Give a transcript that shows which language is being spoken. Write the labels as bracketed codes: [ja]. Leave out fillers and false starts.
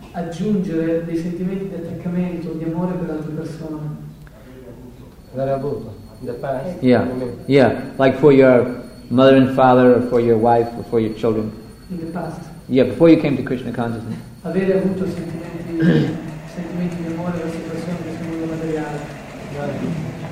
[it] Aggiungere dei sentimenti di attaccamento, di amore per altre persone. L'avere avuto, [en] the past. Yeah, yeah, like for your mother and father, or for your wife, or for your children. In the past. Yeah, before you came to Krishna consciousness. [it] Avere avuto sentimenti di amore per altre persone nel mondo materiale.